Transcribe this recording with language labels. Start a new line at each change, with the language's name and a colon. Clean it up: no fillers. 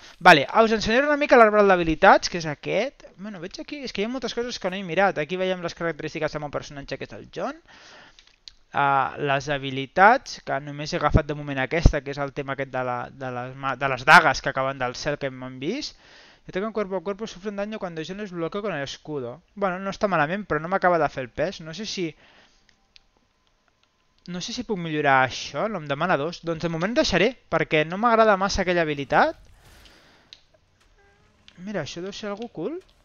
Catalan: Vale, us ensenyaré una mica l'arbre d'habilitats, que és aquest. Bueno, veig aquí, és que hi ha moltes coses que no he mirat. Aquí veiem les característiques del meu personatge, que és el John. Les habilitats, que només he agafat de moment aquesta, que és el tema aquest de les dagues que acaben del cel que hem vist.
Spanish: Yo tengo un cuerpo a cuerpo, sufre un daño cuando yo les bloqueo con el escudo.
Catalan: Bueno,
Spanish: no está
Catalan: malament, però no m'acaba de fer el pes. No sé si puc millorar això, no em demana dos. Doncs de moment deixaré, perquè no m'agrada massa aquella habilitat. Mira, això deu ser algo cool.